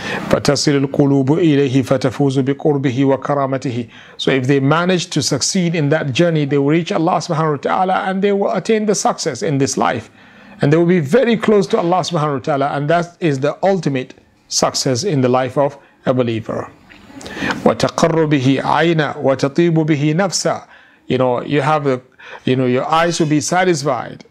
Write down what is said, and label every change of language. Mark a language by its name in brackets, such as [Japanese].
[Arabic] فَتَصِلُ الْقُلُوبُ إِلَيْهِ فَتَفُوزُ بِقُرْبِهِ وَكَرَامَتِهِ. [English] So if they manage to succeed in that journey, they will reach Allah subhanahu wa ta'ala and they will attain the success in this life. And they will be very close to Allah subhanahu wa ta'ala, and that is the ultimate success in the life of a believer. [Arabic] وَتَقَرُّ بِهِ عَيْنًا وَتَطِيبُ بِهِ نَفْسًا. [English] You know, you have the, you know, your eyes will be satisfied.